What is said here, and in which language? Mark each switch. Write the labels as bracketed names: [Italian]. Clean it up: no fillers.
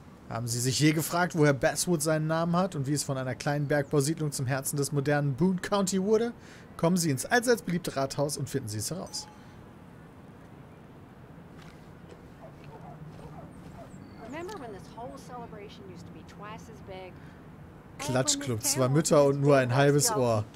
[German] Haben Sie sich je gefragt, woher Basswood seinen Namen hat und wie es von einer kleinen Bergbausiedlung zum Herzen des modernen Boone County wurde? Kommen Sie ins allseits beliebte Rathaus und finden Sie es heraus. [English] Remember when this whole celebration used to be twice as big? [German] Klatschclub, zwei Mütter und nur ein halbes Ohr.